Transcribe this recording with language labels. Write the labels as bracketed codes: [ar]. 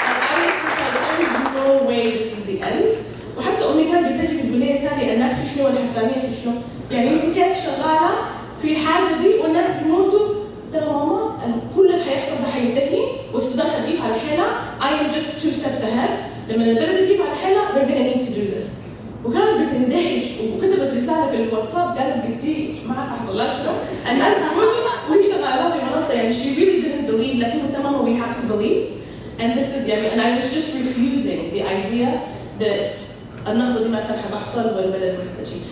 [en] I was just like there is no way this is the end. [ar] وحتى أمي كانت بتجي بتقول لي سامي الناس في شنو والحسدانية في شنو؟ يعني أنت كيف شغالة في الحاجة دي والناس بيموتوا؟ ترى ماما كل اللي هيحصل ده هينتهي والسودان هتضيف على حيلها. [en] I am just two steps ahead. [ar] لما البلد تضيف على حيلها [en] they're gonna need to do this. [ar] وكانت بتندهش وكتبت رساله في الواتساب قالت بنتي ما عارفه حصل لها شنو الناس بتموتوا وهي شغاله في المنصه يعني [en] she really didn't believe [ar] لكن قلت ماما [en] we have to believe and this is [ar] يعني [en] and I was just refusing the idea that [ar] النهضه دي ما كان حتحصل والبلد ما حتجي.